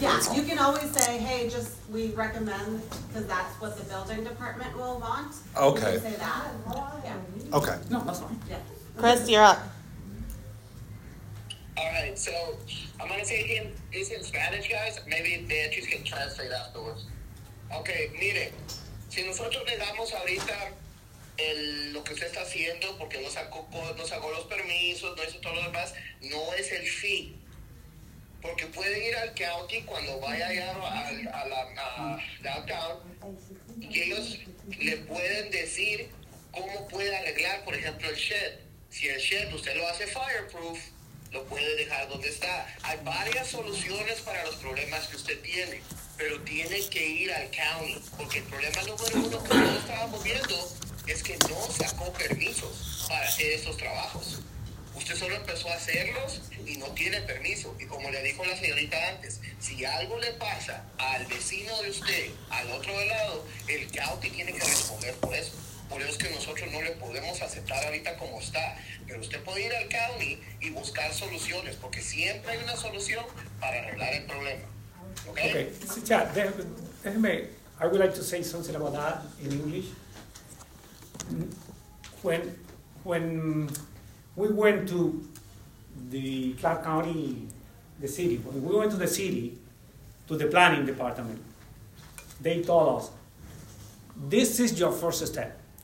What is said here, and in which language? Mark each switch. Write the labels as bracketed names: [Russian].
[English] Yeah, you can always say, hey, just we recommend, because that's what the building department will want. Okay. You can say that. Yeah. Okay. No, that's fine. Yeah. Chris, you're up. All right, so I'm going to say it's in Spanish, guys. Maybe Beatriz can translate afterwards. [Spanish] Okay, miren, si nosotros le damos ahorita lo que usted está haciendo, porque no sacó los permisos, no hizo todo lo demás, no es el fin. Porque puede ir al county cuando vaya allá a downtown, y ellos le pueden decir cómo puede arreglar, por ejemplo, el shed. Si el shed usted lo hace fireproof, lo puede dejar donde está. Hay varias soluciones para los problemas que usted tiene, pero tiene que ir al county, porque el problema número uno que todos estábamos viendo es que no sacó permisos para hacer esos trabajos. Usted solo empezó a hacerlos y no tiene permiso. Y como le dijo la señorita antes, si algo le pasa al vecino de usted, al otro lado, el county tiene que responder por eso. Por eso es que nosotros no le podemos aceptar ahorita como está. Pero usted puede ir al county y buscar soluciones, porque siempre hay una solución para arreglar el problema. [English] Okay. Okay. So, yeah, déjeme, I would like to say something about that in English. When we went to the Clark County, the city, when we went to the city, to the planning department, they told us, this is your first step.